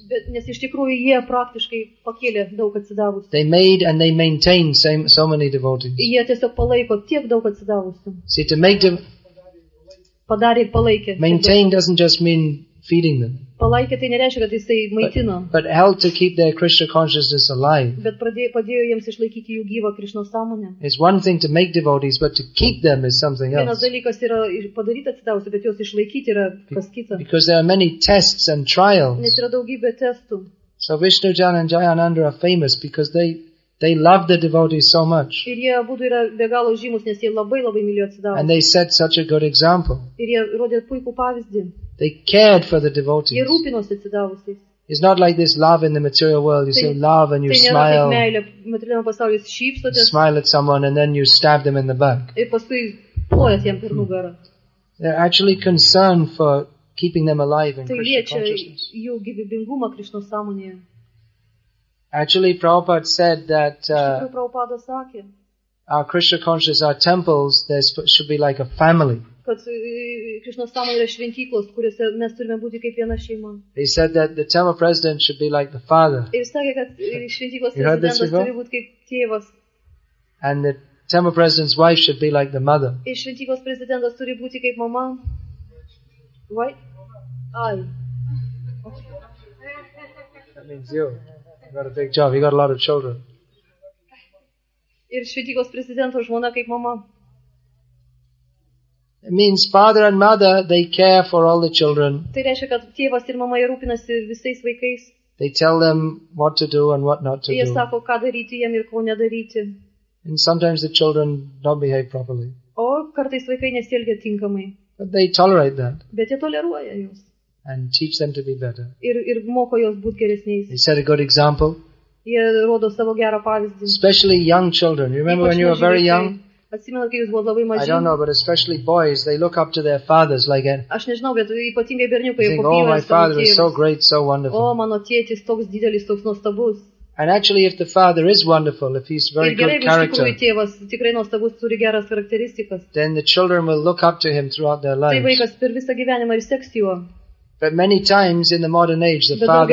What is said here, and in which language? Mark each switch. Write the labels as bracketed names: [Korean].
[Lithuanian] Bet, nes iš tikrųjų jie praktiškai pakėlė daug atsidavusių. [English] They made and they maintain so many devotees. [Lithuanian] Jie tiesiog palaiko tiek daug atsidavusių. [English] See, to make them [Lithuanian] padarė palaikė. [English] Maintain doesn't just mean feeding them. [Lithuanian] Palaikė tai nereiškia, kad jisai maitino. [English] But help to keep their Krishna consciousness alive. [Lithuanian] Bet padėjo jiems išlaikyti jų gyvą Krishna sąmonę. [English] It's one thing to make devotees, but to keep them is something else. [Lithuanian] Vienas dalykas yra padaryti atsidavusių, bet juos išlaikyti yra kas kita. [English] Because there are many tests and trials. [Lithuanian] Nes yra daugybė testų. [English] So Vishnu Jan and Jayananda are famous because they love the devotees so much. [Lithuanian] Ir jie abudu yra be galo žymus, nes jie labai labai mylėjo atsidavusius. [English] And they set such a good example. [Lithuanian] Ir jie rodė puikų pavyzdį. [English] They cared for the devotees. It's not like this love in the material world. You say love and you smile. You smile at someone and then you stab them in the back. They're actually concerned for keeping them alive in Krishna consciousness. Actually, Prabhupada said that our Krishna consciousness, our temples, there should be like a family. [Lithuanian] Kad Krishna sąmonė yra šventyklos, kuriuose mes turime būti kaip viena šeima. [English] He said that the temple president should be like the father. [Lithuanian] Ir sakė, kad šventyklos prezidentas turi būti kaip tėvas. [English] And the temple president's wife should be like the mother. [Lithuanian] Ir šventyklos prezidentas turi būti kaip mama. [English] Why? Ai. That means you. You got a big job. You got a lot of children. [Lithuanian] Ir šventyklos prezidento žmona kaip mama. [English] It means father and mother, they care for all the children. [Lithuanian] Tai reiškia, kad tėvas ir mama rūpinasi visais vaikais. [English] They tell them what to do and what not to do. [Lithuanian] Jie sako, ką daryti jiem ir ko nedaryti. [English] And sometimes the children don't behave properly. [Lithuanian] O kartais vaikai nesielgia tinkamai. [English] But they tolerate that. [Lithuanian] Bet jie toleruoja juos. [English] And teach them to be better. [Lithuanian] Ir moko juos būti geresniais. [English] They set a good example. [Lithuanian] Jie rodo savo gerą pavyzdį. [English] Especially young children. You remember when you were very young? [Lithuanian] Atsimenu, kai jūs buvo labai maži. [English] I don't know, but especially boys, they look up to their fathers like a... [Lithuanian] Aš nežinau, bet ypatingai berniukai, [English] think, oh, my father is so great, so wonderful. [Lithuanian] O, mano tėtis toks didelis, toks nuostabus. [English] And actually, if the father is wonderful, if he's very good character, [Lithuanian] tėvas, tikrai nuostabus, turi geras charakteristikas, [English] then the children will look up to him throughout their lives. [Lithuanian] Tai vaikas per visą gyvenimą ir seks juo. [English] But many times in the modern age, the father...